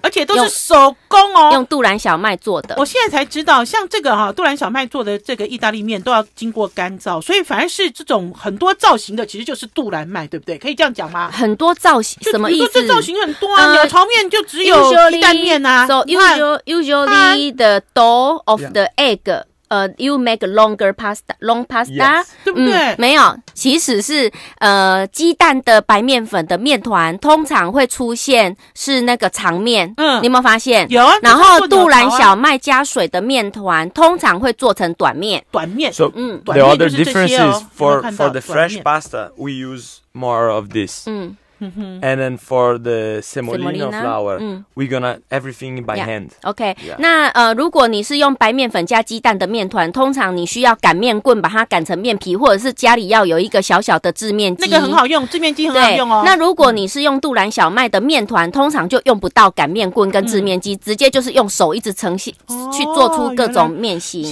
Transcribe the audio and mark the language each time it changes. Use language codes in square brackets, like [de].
[zh] 而且都是手工哦，用杜兰小麦做的。我现在才知道，像这个杜兰小麦做的这个意大利面都要经过干燥，所以反而是这种很多造型的其实就是杜兰麦，对不对？可以这样讲吗？很多造型什么意思？就比如说这造型很多啊，鸟巢面就只有鸡蛋面啊。 [en] So, usually the dough of the egg, you make longer pasta, long pasta. Yes. [zh] 对不对？没有，其实是鸡蛋的白面粉的面团通常会出现是那个长面。你有没有发现？有啊。然后杜兰小麦加水的面团通常会做成短面。短面。 [en] So, the other difference is for the fresh pasta, we use more of this. And then for the semolina flour, we're gonna everything by hand. Okay. [zh] 那如果你是用白面粉加鸡蛋的面团，通常你需要擀面棍把它擀成面皮，或者是家里要有一个小小的制面机。那个很好用，制面机很好用哦。那如果你是用杜兰小麦的面团，通常就用不到擀面棍跟制面机，直接就是用手一直呈现去做出各种面形。